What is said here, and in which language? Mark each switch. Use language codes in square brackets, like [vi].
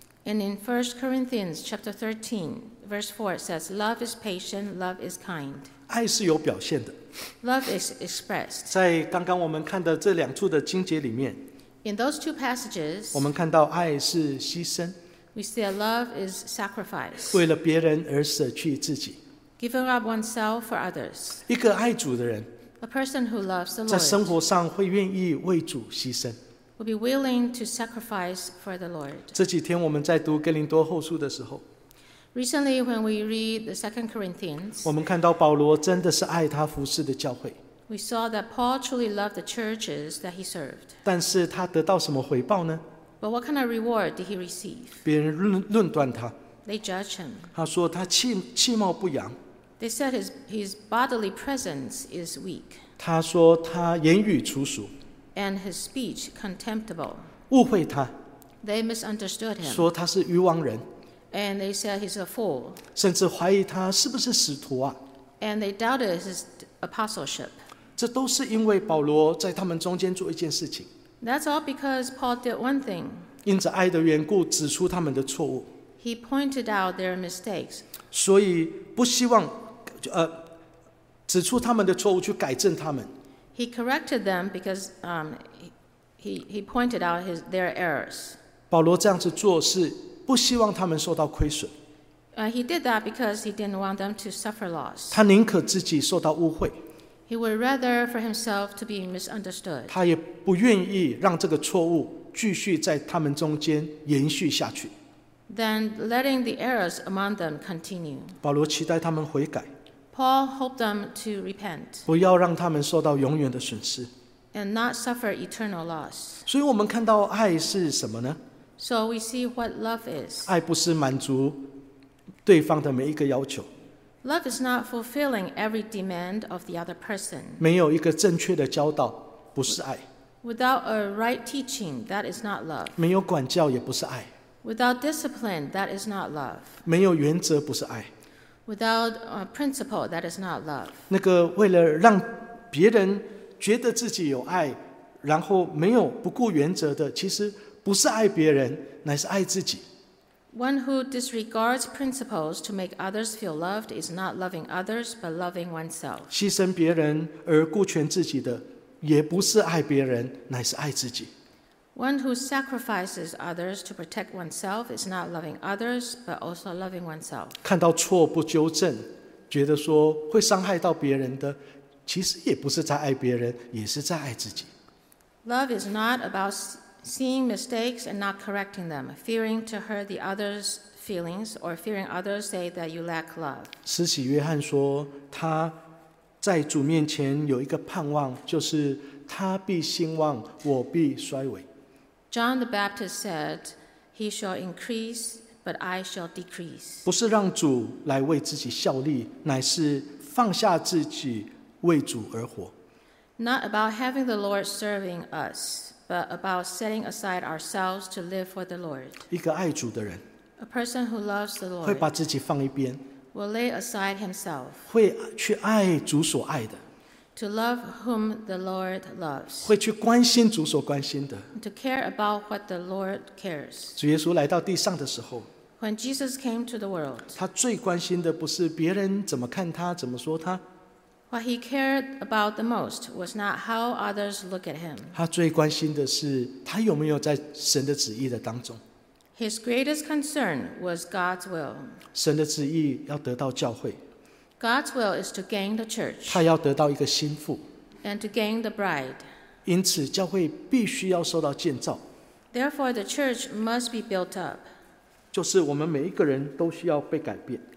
[en] And in 1 Corinthians chapter 13. Verse 4 says, Love is patient, love is kind. [zh] 爱是有表现的。 [en] Love is expressed. [zh] 在刚刚我们看的这两处的经节里面， [en] In those two passages, [zh] 我们看到爱是牺牲。 [en] We see that love is sacrifice. [zh] 为了别人而舍去自己。 [en] Giving up oneself for others. [zh] 一个爱主的人， [en] A person who loves the Lord. [zh] 在生活上会愿意为主牺牲。 [en] Will be willing to sacrifice for the Lord. [zh] 这几天我们在读哥林多后书的时候， [en] Recently, when we read the 2 Corinthians, [zh] 我们看到保罗真的是爱他服侍的教会。 [en] We saw that Paul truly loved the churches that he served. [zh] 但是他得到什么回报呢？ [en] But what kind of reward did he receive? [zh] 别人论断他。 [en] They judged him. [zh] 他说他气貌不扬。 [en] They said his bodily presence is weak. [zh] 他说他言语粗俗。 [en] And his speech contemptible. [zh] 误会他。 [en] They misunderstood him. [zh] 说他是愚妄人。 [en] And they said he's a fool. [zh] 甚至怀疑他是不是使徒啊。 [en] And they doubted his apostleship. [zh] 这都是因为保罗在他们中间做一件事情。 [en] That's all because Paul did one thing. [zh] 因着爱的缘故指出他们的错误。 [en] He pointed out their mistakes. [zh] 所以不希望指出他们的错误去改正他们。 [en] He corrected them because he pointed out their errors. [zh] 保罗这样子做是不希望他们受到亏损。 [en] He did that because he didn't want them to suffer loss. [zh] 他宁可自己受到误会。 [en] He would rather for himself to be misunderstood. [zh] 他也不愿意让这个错误继续在他们中间延续下去。 [en] Then letting the errors among them continue. [zh] 保罗期待他们悔改。 [en] Paul hoped them to repent. [zh] 不要让他们受到永远的损失。 [en] And not suffer eternal loss. [zh] 所以我们看到爱是什么呢？ [en] So we see what love is. [zh] 爱不是满足对方的每一个要求。 [en] Love is not fulfilling every demand of the other person. [zh] 没有一个正确的教导不是爱。 [en] Without a right teaching, that is not love. [zh] 没有管教也不是爱。 [en] Without discipline, that is not love. [zh] 没有原则不是爱。 [en] Without a principle, that is not love. [zh] 那个为了让别人觉得自己有爱，然后没有不顾原则的，其实不是爱别人，乃是爱自己。 [en] One who disregards principles to make others feel loved is not loving others, but loving oneself. [zh] 牺牲别人而顾全自己的，也不是爱别人，乃是爱自己。 [en] One who sacrifices others to protect oneself is not loving others, but also loving oneself. [zh] 看到错不纠正，觉得说会伤害到别人的，其实也不是在爱别人，也是在爱自己。 [en] Love is not about seeing mistakes and not correcting them, fearing to hurt the other's feelings or fearing others say that you lack love. [zh] 施洗约翰说，他在主面前有一个盼望，就是他必兴旺，我必衰微。 [en] John the Baptist said, "He shall increase, but I shall decrease." [zh] 不是让主来为自己效力，乃是放下自己为主而活。 [en] Not about having the Lord serving us, but about setting aside ourselves to live for the Lord. [zh] 一个爱主的人 [en] ，A person who loves the Lord， [zh] 会把自己放一边 [en] ，will lay aside himself， [zh] 会去爱主所爱的。 [en] To love whom the Lord loves. [zh] 会去关心主所关心的。 [en] To care about what the Lord cares. [zh] 主耶稣来到地上的时候， [en] When Jesus came to the world, [zh] 他最关心的不是别人怎么看他，怎么说他。 [en] What he cared about the most was not how others look at him. [zh] 他最关心的是他有没有在神的旨意的当中。 [en] His greatest concern was God's will. [zh] 神的旨意要得到教会。 [en] God's will is to gain the church. [zh] 他要得到一个心腹。 [en] And to gain the bride. [zh] 因此教会必须要受到建造。 [en] Therefore, the church must be built up. [zh] 就是我们每一个人都需要被改变。